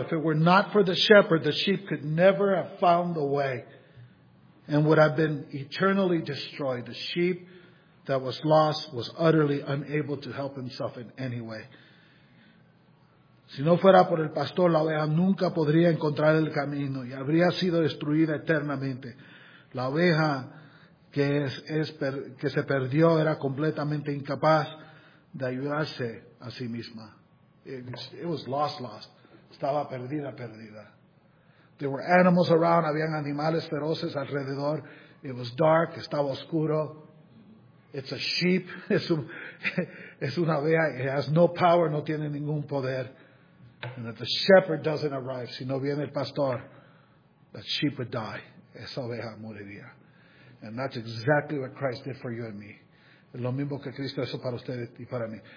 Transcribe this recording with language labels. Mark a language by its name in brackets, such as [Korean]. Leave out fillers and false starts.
[English] If it were not for the shepherd, the sheep could never have found the way and would have been eternally destroyed. The sheep that was lost was utterly unable to help himself in any way. [Spanish] Si no fuera por el pastor, la oveja nunca podría encontrar el camino y habría sido destruida eternamente. La oveja que se perdió era completamente incapaz de ayudarse a sí misma. [English] It was lost. [Spanish] Estaba perdida. [English] There were animals around. [Spanish] Habían animales feroces alrededor. [English] It was dark. [Spanish] Estaba oscuro. [English] It's a sheep. [Spanish] Es una oveja. [English] It has no power. [Spanish] No tiene ningún poder. [English] And if the shepherd doesn't arrive, [Spanish] si no viene el pastor, [English] that sheep would die. [Spanish] Esa oveja moriría. [English] And that's exactly what Christ did for you and me. [Spanish] Lo mismo que Cristo hizo para ustedes y para mí.